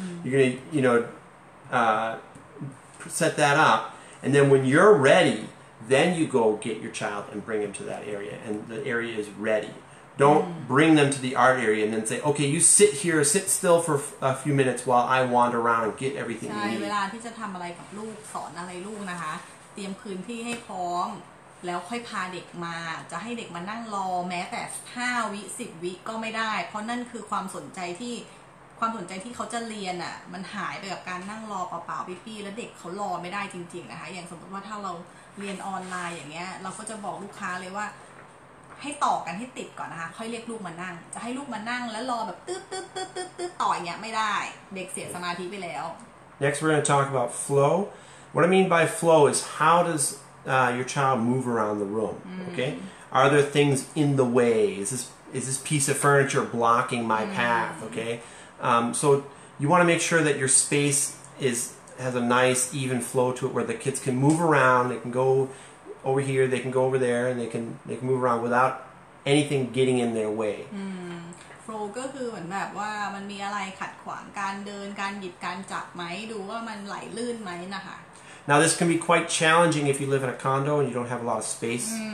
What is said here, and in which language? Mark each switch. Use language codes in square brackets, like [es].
[en] You're going to, you know, set that up. And then when you're ready, then you go get your child and bring him to that area. And the area is ready. Don't bring them to the art area and then say, okay, you sit here, sit still for a few minutes while I wander around and get everything you need. [th] ใช่เวลาที่จะทำอะไรกับลูกสอนอะไรลูกนะคะเตรียมพื้นที่ให้พร้อมแล้วค่อยพาเด็กมาจะให้เด็กมานั่งรอแม้แต่5วิ10วิก็ไม่ได้เพราะนั่นคือความสนใจที่เขาจะเรียนอ่ะมันหายไปกับการนั่งรอเปล่าๆปี้ๆแล้วเด็กเขารอไม่ได้จริงๆนะคะอย่างสมมติว่าถ้าเราเรียนออนไลน์อย่างเงี้ยเราก็จะบอกลูกค้าเลยว่าให้ต่อกันให้ติดก่อนนะคะค่อยเรียกลูกมานั่งจะให้ลูกมานั่งแล้วรอแบบตึ๊ดๆๆๆต่ออย่างเงี้ยไม่ได้เด็กเสียสมาธิไปแล้ว [en] Next we're going to talk about flow What I mean by flow is how doesyour child move around the room, okay? Are there things in the way? Is this piece of furniture blocking my path, okay? So you want to make sure that your space has a nice, even flow to it where the kids can move around, they can go over here, they can go over there, and they can move around without anything getting in their way. [th] Flow ก็คือเหมือนแบบว่ามันมีอะไรขัดขวางการเดินการหยิบการจับไหมดูว่ามันไหลลื่นไหมนะคะ [en] Now this can be quite challenging if you live in a condo and you don't have a lot of space.